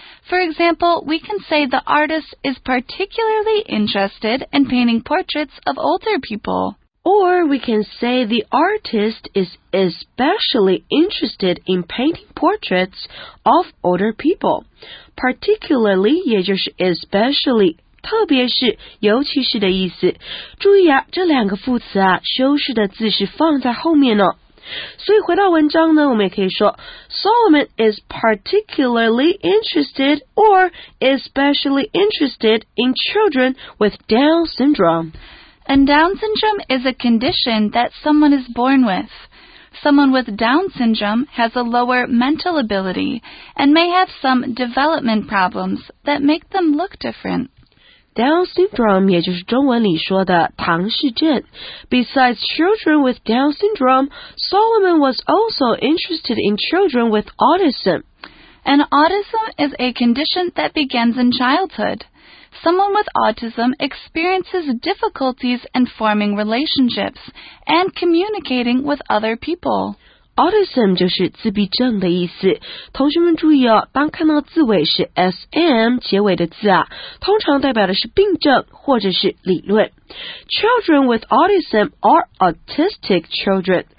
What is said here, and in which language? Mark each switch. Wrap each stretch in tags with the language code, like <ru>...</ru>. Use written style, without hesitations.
<en>For example, we can say the artist is particularly interested in painting portraits of older people. Or we can say the artist is especially interested in painting portraits of older people. Particularly,</en> <zh>也就是</zh> <en>especially</en> <zh>特别是尤其是的意思。注意啊，这两个副词啊，修饰的字是放在后面哦。所以回到文章呢，我们也可以说</zh> <en>Solomon is particularly interested or especially interested in children with Down syndrome. And Down syndrome is a condition that someone is born with. Someone with Down syndrome has a lower mental ability and may have some development problems that make them look different.</en> <zh>Down syndrome 也就是中文里说的唐氏症。</zh> <en>Besides children with Down syndrome, Solomon was also interested in children with autism. And autism is a condition that begins in childhood. Someone with autism experiences difficulties in forming relationships and communicating with other people.</en> <zh>Autism 就是自闭症的意思。同学们注意哦，当看到字尾是 SM 结尾的字啊，通常代表的是病症或者是理论。</zh> <en>Children with autism are autistic children.</en>